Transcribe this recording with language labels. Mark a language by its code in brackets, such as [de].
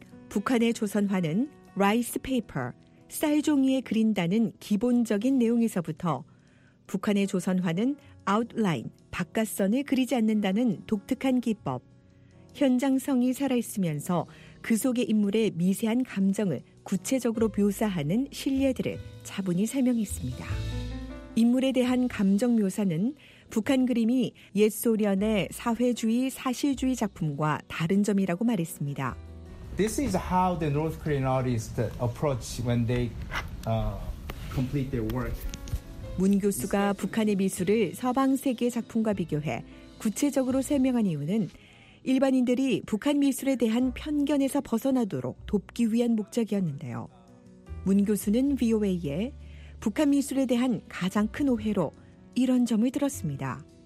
[ko] 북한의 조선화는 rice paper, 쌀종이에 그린다는 기본적인 내용에서부터 북한의 조선화는 outline, 바깥선을 그리지 않는다는 독특한 기법, 현장성이 살아있으면서 그 속의 인물의 미세한 감정을 구체적으로 묘사하는 실례들을 차분히 설명했습니다. 인물에 대한 감정 묘사는 북한 그림이 옛 소련의 사회주의 사실주의 작품과 다른 점이라고 말했습니다. [en] This is how the North Korean artists approach when they complete their work. [ko] 문 교수가 북한의 미술을 서방 세계 작품과 비교해 구체적으로 설명한 이유는 일반인들이 북한 미술에 대한 편견에서 벗어나도록 돕기 위한 목적이었는데요. 문 교수는 VOA에 북한 미술에 대한 가장 큰 오해로 이런 점을 들었습니다.